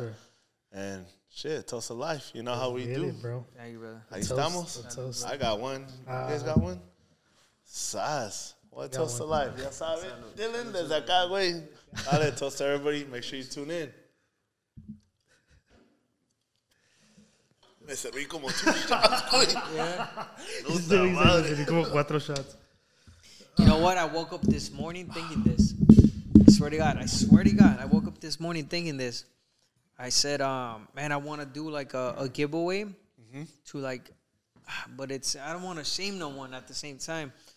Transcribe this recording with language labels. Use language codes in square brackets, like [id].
[en] Sir. And, shit, toast of life. You know how we do. It, bro. Thank you, brother. [es] Ahí estamos. [en] I got one. You guys got one? Sass. What a toast to life. [es] Ya sabe. Dylan, desde acá, güey. Dale, [en] toast to everybody. Make sure you tune in. [es] Me serví como 2 shots, güey. [en] Yeah. [es] Me serví como 4 shots. [en] You know what? I woke up this morning thinking this. I swear to God. I woke up this morning thinking this. I said, man, I want to do like a giveaway to like, but it's, I don't want to shame no one at the same time.